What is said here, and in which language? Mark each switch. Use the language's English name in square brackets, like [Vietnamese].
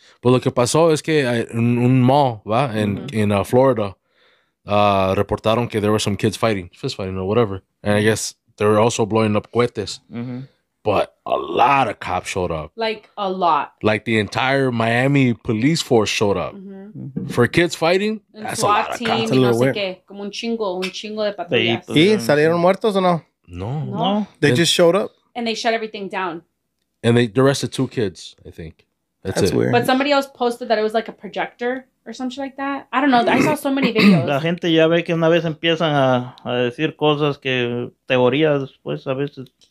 [Spanish] Pues lo que pasó es que en un mall, ¿va? En Florida. Reportaron que [English] there were some kids fist fighting or whatever, and I guess they were also blowing up cohetes. Mm-hmm. But a lot of cops showed up, like a lot, like the entire Miami police force showed up mm-hmm. for kids fighting. And that's a lot of cops. [Spanish] Y no sé qué, como un chingo de patrullas. ¿Y salieron muertos o no? No. No. [English] They just showed up? And they shut everything down. And they arrested two kids, I think. That's it. Weird. But somebody else posted that it was like a projector or something like that. I don't know. I saw so many videos. [Spanish] La gente ya ve que una vez empiezan a decir cosas que teorías, pues a veces.